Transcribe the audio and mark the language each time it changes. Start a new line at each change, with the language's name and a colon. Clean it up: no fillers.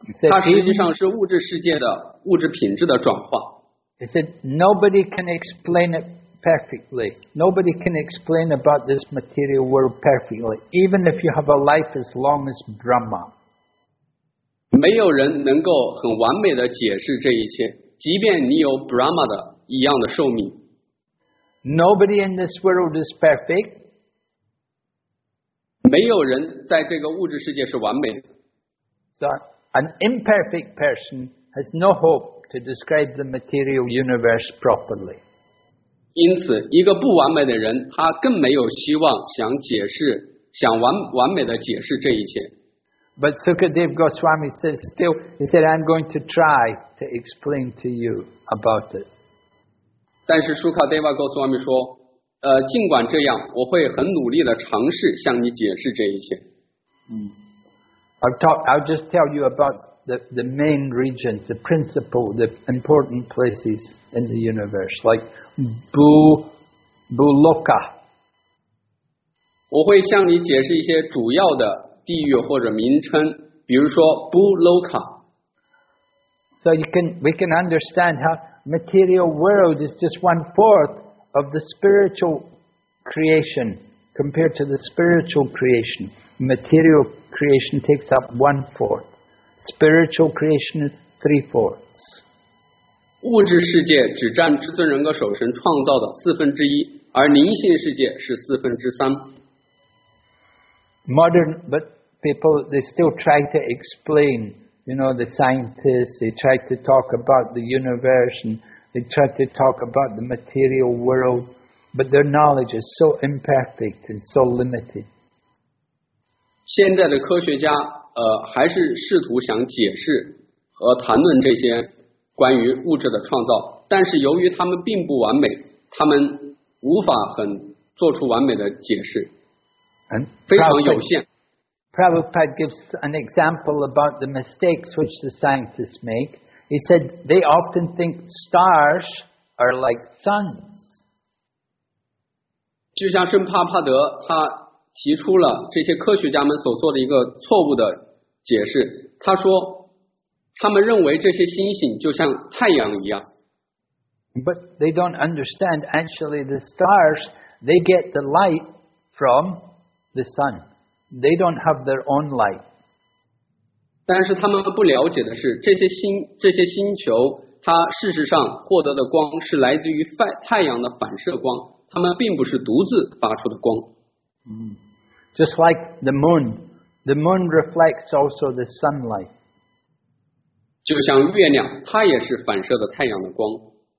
Chinese: 它实际上是物质世界的物质品质的转化。
English: He said, nobody can explain it perfectly. Nobody can explain about this material world perfectly, even if you have a life as long as Brahma.
Chinese: 没有人能够很完美的解释这一切，即便你有 Brahma 的一样的寿命。
English: Nobody in this world is perfect.
Chinese: 没有人在这个物质世界是完美的。
English: Sorry. An imperfect person has no hope to describe the material universe properly.
Chinese: 因此，一个不完美的人，他更没有希望想解释，想完美的解释这一切。
English: But Sukadev Goswami says still, he said, I'm going to try to explain to you about it.
Chinese: 但是Sukadeva Goswami说，尽管这样，我会很努力的尝试向你解释这一切。
English: I'll just tell you about the main regions, the principal, the important places in the universe, like Bhuloka.
Chinese: 我会向你解释一些主要的地域或者名称，比如说 Bhuloka.
English: So we can understand how material world is just one fourth of the spiritual creation compared to the spiritual creation. Material creation takes up one fourth. Spiritual creation is three fourths.
Chinese: 物质世界只占至尊人格首神创造的四分之一，而灵性世界是四分之三。
English: Modern, but people they still try to explain You know, the scientists, they try to talk about the universe and they try to talk about the material world, but their knowledge is so imperfect and so limited.
Chinese: 现在的科学家还是试图想解释和谈论这些关于物质的创造，但是由于他们并不完美，他们无法很做出完美的解释，非常有限。
English: Prabhupada gives an example about the mistakes which the scientists make. He said they often think stars are like suns.
Chinese: 就像圣帕帕德他提出了这些科学家们所做的一个错误的解释，他说他们认为这些星星就像太阳一样。
English: But they don't understand actually the stars, they get the light from the sun. They don't have their own light.
Chinese: 但是他们不了解的是这些星球它事实上获得的光是来自于太阳的反射光，它们并不是独自发出的光。
English: Just like the moon reflects also the sunlight.
Chinese: 就像月亮，它也是反射的太阳的光。